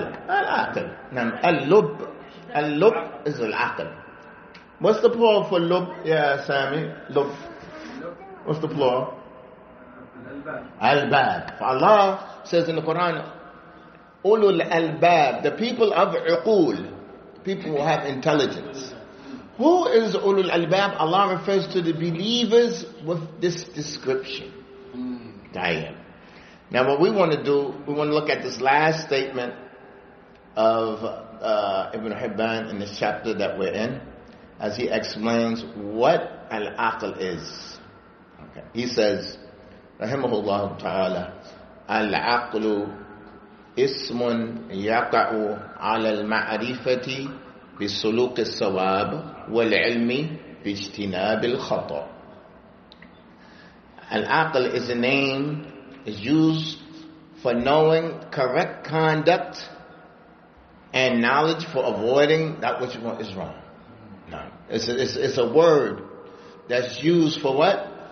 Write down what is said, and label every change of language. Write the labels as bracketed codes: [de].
[ar] العقل. نعم. اللب. اللب is العقل. [en] What's the plural for lub, [ar] يا سامي؟ لب. [en] What's the plural? الباب. فالله says in the Quran, [ar] أولو الألباب, [en] the people of عقول, people who have intelligence. Who is [ar] أولو الألباب? [en] Allah refers to the believers with this description. Mm. Now what we want to do, we want to look at this last statement of Ibn Hibban in this chapter that we're in, as he explains what Al-Aql is. Okay. He says, [ar] رحمه الله تعالى, العقل اسم يقع على المعرفة بسلوك الصواب والعلم باجتناب الخطأ. [en] Al-Aql is a name, is used for knowing correct conduct and knowledge for avoiding that which is wrong. No. It's a word that's used for what?